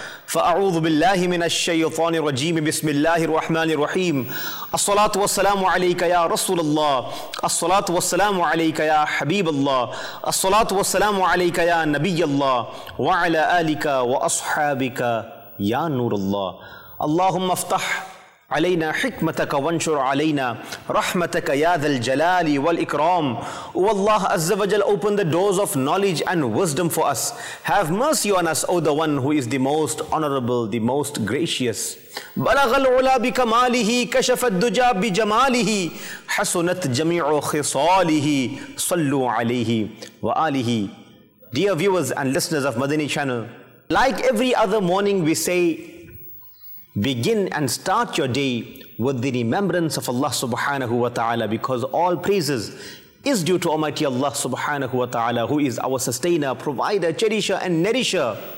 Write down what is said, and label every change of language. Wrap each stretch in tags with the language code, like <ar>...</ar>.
<ar>فأعوذ بالله من الشيطان الرجيم بسم الله الرحمن الرحيم الصلاة والسلام عليك يا رسول الله الصلاة والسلام عليك يا حبيب الله الصلاة والسلام عليك يا نبي الله وعلى آلك وأصحابك يا نور الله اللهم افتح علينا حكمتك وانشر علينا رحمتك يا ذا الجلال والإكرام والله عز وجل</ar> <en>open the doors of knowledge and wisdom for us. Have mercy on us, O the one who is the most honorable, the most gracious.</en> <ar>بلغ العلا بكماله كشف الدجى بجماله حسنت جميع خصاله صلوا عليه وآله.</ar> <en>Dear viewers and listeners of Madani Channel, like every other morning we say, begin and start your day with the remembrance of Allah subhanahu wa ta'ala, because all praises is due to Almighty Allah subhanahu wa ta'ala, who is our sustainer, provider, cherisher and nourisher.</en>